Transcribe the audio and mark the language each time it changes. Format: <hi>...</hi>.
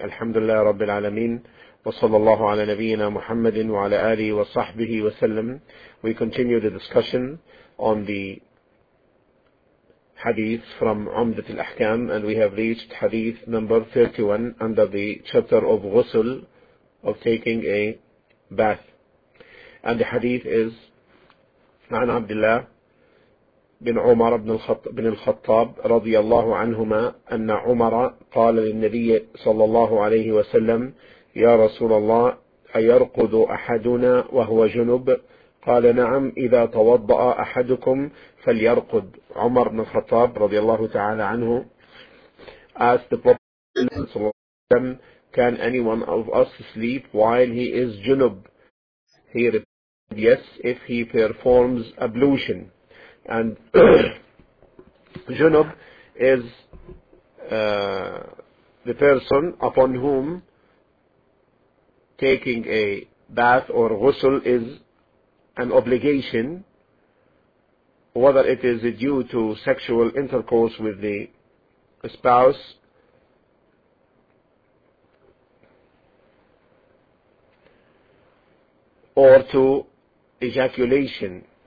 <ar>الحمد لله رب العالمين، وصلى الله على نبينا محمد وعلى آله وصحبه وسلم.</ar> <en>We continue the discussion on the hadith from عمدة الأحكام, and we have reached hadith number 31 under the chapter of غسل, of taking a bath. And the hadith is</en> <ar>عن عبد الله بن عمر بن الخطاب رضي الله عنهما أن عمر قال للنبي صلى الله عليه وسلم يا رسول الله أيرقد أحدنا وهو جنب؟ قال نعم إذا توضأ أحدكم فليرقد.</ar> <en>عمر بن الخطاب رضي الله تعالى عنه asked the Prophet صلى الله عليه وسلم, can anyone of us sleep while he is junub? He replied, yes, if he performs ablution. And junub is the person upon whom taking a bath or ghusl is an obligation, whether it is due to sexual intercourse with the spouse or to ejaculation.</en>